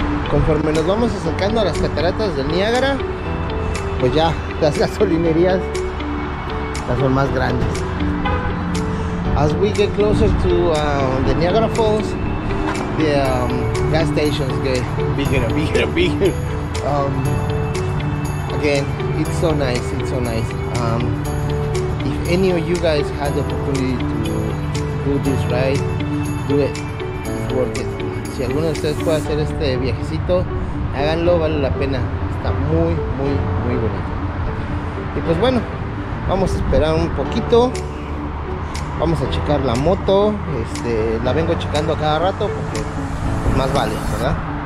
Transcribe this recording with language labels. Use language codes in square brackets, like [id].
[es] Conforme nos vamos acercando a las cataratas del Niágara, pues ya las gasolinerías las son más grandes. [en] As we get closer to the Niagara Falls, the gas stations get bigger and bigger and bigger. Again, it's so nice, it's so nice. If any of you guys had the opportunity to do this ride, do it. It's worth it. [es] Si alguno de ustedes puede hacer este viajecito, háganlo, vale la pena. Está muy, muy, muy bonito. Y pues bueno, vamos a esperar un poquito. Vamos a checar la moto. La vengo checando cada rato porque pues más vale, ¿verdad?